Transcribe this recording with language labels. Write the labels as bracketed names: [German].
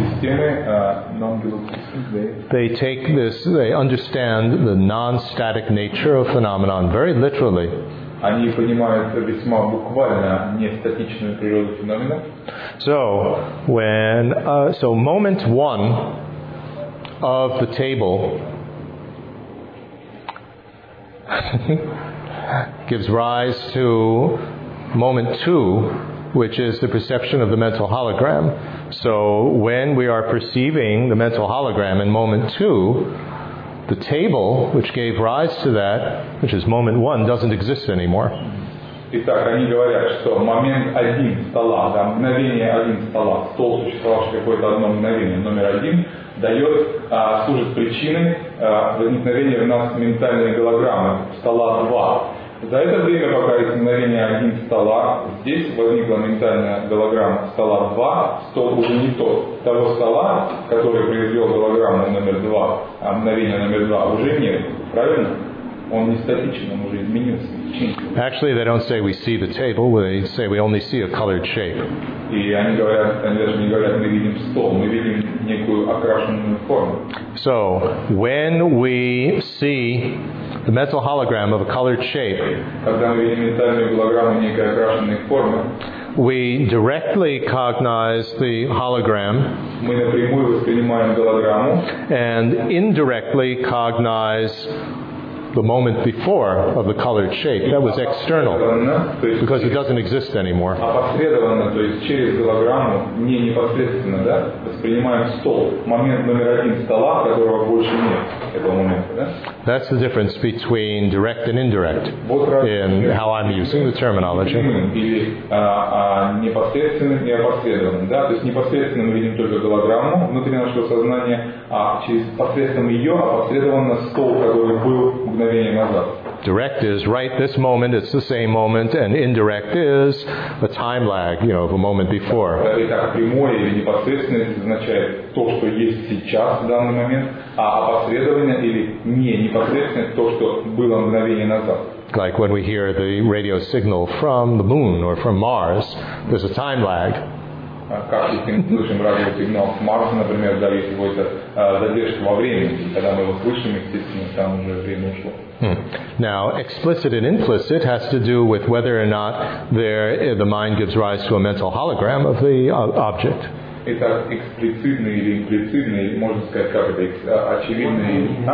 [English] They take this, they understand the non-static nature of phenomenon very literally. [Russian] Они понимают весьма буквально нестатичную природу феномена. [English] So, when, so moment one of the table gives rise to moment two, which is the perception of the mental hologram. So when we are perceiving the mental hologram in moment two, the table, which gave rise to that, which is moment one, doesn't exist anymore. [Russian] Итак, они говорят, что момент один стола, да, мгновение один стола, стол существовал какое-то одно мгновение, номер один, дает, служит причиной возникновения у нас ментальной голограммы, стола два. За это время, пока из мгновения один стола, здесь возникла ментальная голограмма стола 2, стол уже не тот. Того стола, который произвел голограмму номер 2, а мгновение номер 2 уже нет. Правильно? Он не статичен, он уже изменился. [English] Actually, they don't say we see the table, they say we only see a colored shape. [Russian] И они говорят, они даже не говорят, мы видим стол, мы видим некую окрашенную форму. [English] So, when we see the mental hologram of a colored shape, [Russian] когда мы видим ментальную голограмму некой окрашенной формы, [English] we directly cognize the hologram, [Russian] мы напрямую воспринимаем голограмму, [English] and indirectly cognize the moment before of the colored shape, that was external, because it doesn't exist anymore. [Russian] Опосредованно, то есть через голограмму, не непосредственно, да, воспринимаем стол, момент номер один стола, которого больше нет, этого момента, да? [English] That's the difference between direct and indirect in how I'm using the terminology. [Russian] Или непосредственно и опосредованно, да, то есть непосредственно мы видим только голограмму внутри нашего сознания, а через посредством ее опосредованно стол, который был [English] direct is right this moment, it's the same moment, and indirect is a time lag, you know, of a moment before. [Russian] Итак, прямое или непосредственное означает то, что есть сейчас, в данный момент, а опосредованное или не непосредственное то, что было мгновение назад. [English] Like when we hear the radio signal from the moon or from Mars, there's a time lag. [Russian] Как если мы слышим радиосигнал с Марса, например, да, есть какой-то задержка во времени, когда мы его слышим, естественно, там уже время ушло. [English] Now, explicit and implicit has to do with whether or not there the mind gives rise to a mental hologram of the object. [Russian] Это эксплицитный или имплицитный, можно сказать, как это, очевидный,